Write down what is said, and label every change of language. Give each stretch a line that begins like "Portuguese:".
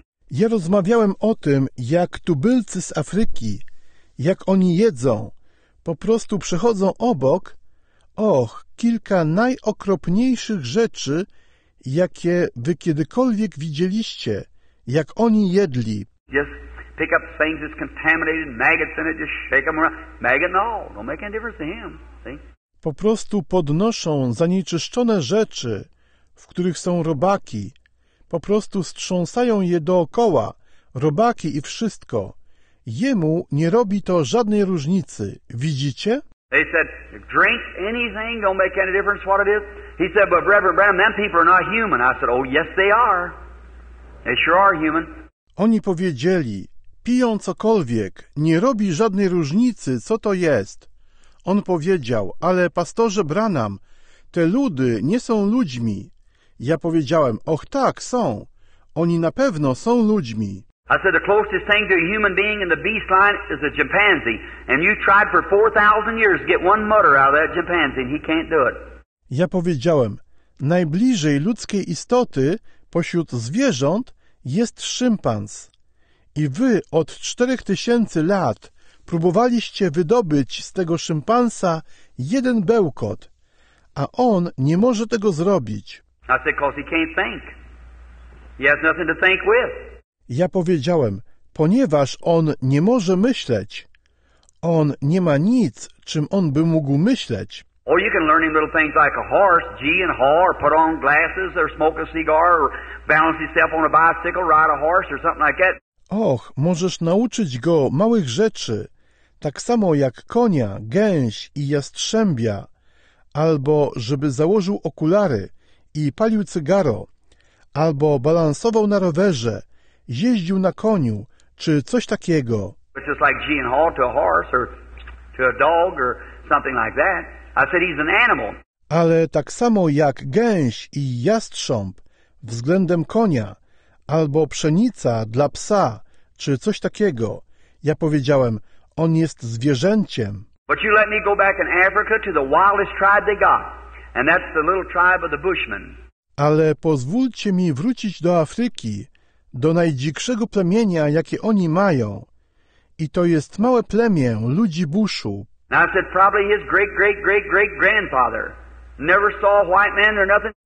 Polish: Ja rozmawiałem o tym, jak tubylcy z Afryki, jak oni jedzą, po prostu przechodzą obok, och, kilka najokropniejszych rzeczy, jakie wy kiedykolwiek widzieliście, jak oni jedli.
English: Just pick up things that's contaminated, maggots in it, just shake them around. Maggot and all. Don't make any difference to him. See?
Polish: Po prostu podnoszą zanieczyszczone rzeczy, w których są robaki. Po prostu strząsają je dookoła, robaki i wszystko. Jemu nie robi to żadnej różnicy. Widzicie?
English: They said, drink anything, don't make any difference what it is. He said, but Reverend Brown, them people are not human. I said, oh, yes, they are. They sure are human.
Polish: Oni powiedzieli, piją cokolwiek, nie robi żadnej różnicy, co to jest. On powiedział, ale pastorze Branham, te ludy nie są ludźmi. Ja powiedziałem, och tak, są. Oni na pewno są ludźmi.
English: I said the closest thing to a human being in the beast line is a chimpanzee. And you tried for 4,000 years to get one mutter out of that chimpanzee and he can't do it.
Polish: Ja powiedziałem, najbliżej ludzkiej istoty pośród zwierząt jest szympans. I wy od 4000 lat próbowaliście wydobyć z tego szympansa jeden bełkot, a on nie może tego zrobić.
English: I said, 'cause he can't think. He has nothing to think with.
Polish: Ja powiedziałem, ponieważ on nie może myśleć. On nie ma nic, czym on by mógł myśleć.
English: Or you can learn him little things like a horse, gee and haw, or put on glasses, or smoke a cigar, or balance yourself on a bicycle, ride a horse, or something like that.
Polish: Och, możesz nauczyć go małych rzeczy, tak samo jak konia, gęś i jastrzębia, albo żeby założył okulary i palił cygaro, albo balansował na rowerze, jeździł na koniu, czy coś takiego.
English: Just like Jean Hall to a horse or to a dog or something like that. I said he's an animal.
Polish: Ale tak samo jak gęś i jastrząb względem konia, albo pszenica dla psa, czy coś takiego. Ja powiedziałem, on jest zwierzęciem.
English: But you let me go back in Africa to the wildest tribe they got. And that's the little tribe of the Bushmen.
Polish: Ale pozwólcie mi wrócić do Afryki, do najdzikszego plemienia, jakie oni mają. I to jest małe plemię ludzi Bushu.
English: Now I said probably his great-great-great-great-grandfather. Never saw a white man or nothing.